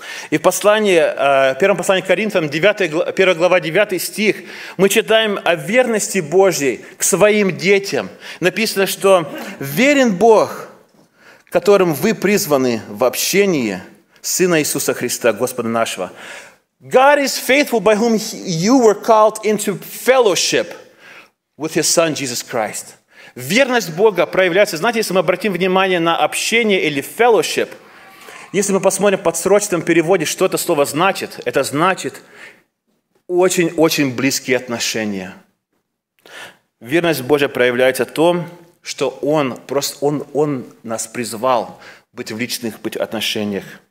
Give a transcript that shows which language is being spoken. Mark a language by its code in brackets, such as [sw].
[ru] И в послании, первом послании к Коринфянам, 1 глава, 9 стих, мы читаем о верности Божьей к своим детям. Написано, что верен Бог, которым вы призваны в общении Сына Иисуса Христа, Господа нашего. [en] God is faithful by whom you were called into fellowship with His Son Jesus Christ. [ru] Верность Бога проявляется, знаете, если мы обратим внимание на общение или fellowship, если мы посмотрим в подсрочном переводе, что это слово значит, это значит очень-очень близкие отношения. Верность Божия проявляется в том, что Он просто, Он нас призвал быть в личных отношениях.